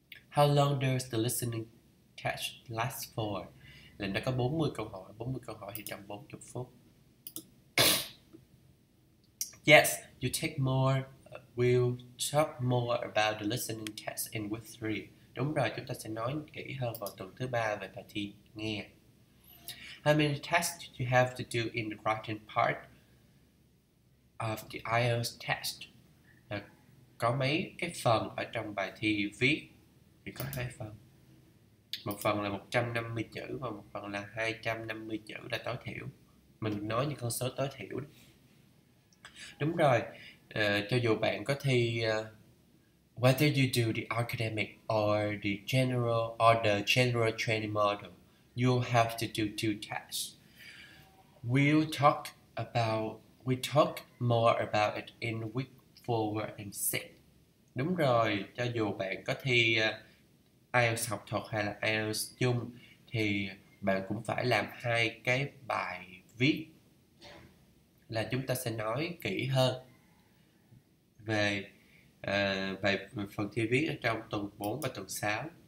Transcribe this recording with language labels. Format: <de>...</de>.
<en>How long does the listening test last for?</en> <vi>Là nó có 40 câu hỏi. 40 câu hỏi thì trong 40 phút.</vi> <en>Yes, you take more. We'll talk more about the listening test in week 3.</en> <vi>Đúng rồi, chúng ta sẽ nói kỹ hơn vào tuần thứ 3 về bài thi nghe.</vi> <en>How many tests do you have to do in the writing part of the IELTS test?</en> <vi>Là có mấy cái phần ở trong bài thi viết? Thì có 2 phần. Một phần là 150 chữ và một phần là 250 chữ là tối thiểu. Mình nói những con số tối thiểu. Đúng rồi, cho dù bạn có thi</vi> <en>whether you do the academic or the general or the general training module, you'll have to do two tests. We'll talk more about it in week 4 and 6.</en> <vi>Đúng rồi, cho dù bạn có thi IELTS học thuật hay là IELTS chung thì bạn cũng phải làm hai cái bài viết, là chúng ta sẽ nói kỹ hơn về về phần thi viết ở trong tuần 4 và tuần 6.</vi>